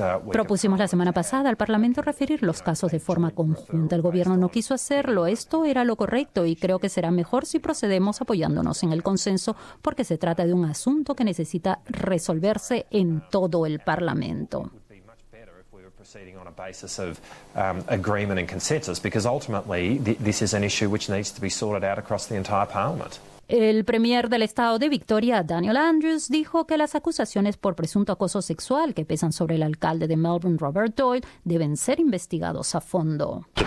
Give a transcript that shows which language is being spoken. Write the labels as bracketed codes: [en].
[es] Propusimos la semana pasada al Parlamento referir los casos de forma conjunta. El gobierno no quiso hacerlo. Esto era lo correcto y creo que será mejor si procedemos apoyándonos en el consenso porque se trata de un asunto que necesita resolverse en todo el Parlamento. [en] Proceeding on a basis of agreement and consensus, because ultimately this is an issue which needs to be sorted out across the entire parliament. [es] El premier del estado de Victoria, Daniel Andrews, dijo que las acusaciones por presunto acoso sexual que pesan sobre el alcalde de Melbourne, Robert Doyle, deben ser investigados a fondo.